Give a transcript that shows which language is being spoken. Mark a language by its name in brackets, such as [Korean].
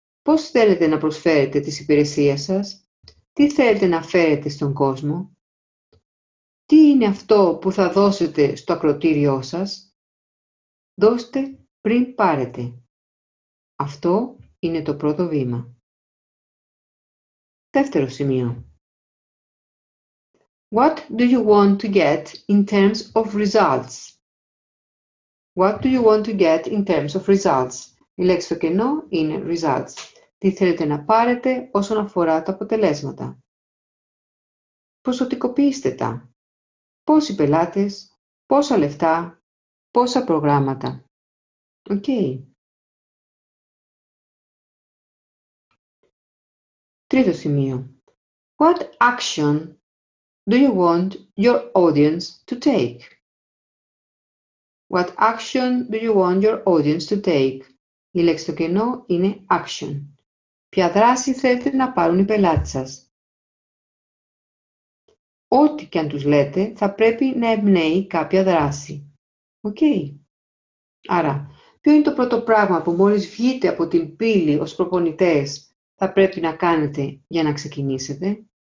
[Greek] Πώς θέλετε να προσφέρετε τις υπηρεσίες σας? Τι θέλετε να φέρετε στον κόσμο? Τι είναι αυτό που θα δώσετε στο ακροτήριό σας? Δώστε πριν πάρετε. Αυτό είναι το πρώτο βήμα. Δεύτερο σημείο. [English] What do you want to get in terms of results? What do you want to get in terms of results? [Greek] Η λέξη στο κενό είναι results. Τι θέλετε να πάρετε όσον αφορά τα αποτελέσματα? Ποσοτικοποιήστε τα. Πόσοι πελάτες, πόσα λεφτά, πόσα προγράμματα. Οκ. Τρίτο σημείο. [English] What action do you want your audience to take? What action do you want your audience to take? [Greek] Η λέξη στο κενό είναι action. Ποια δράση θέλετε να πάρουν οι πελάτες σας? Ό,τι και αν τους λέτε, θα πρέπει να εμπνέει κάποια δράση. Οκ. Άρα, ποιο είναι το πρώτο πράγμα που μόλις βγείτε από την πύλη ως προπονητές θα πρέπει να κάνετε για να ξεκινήσετε?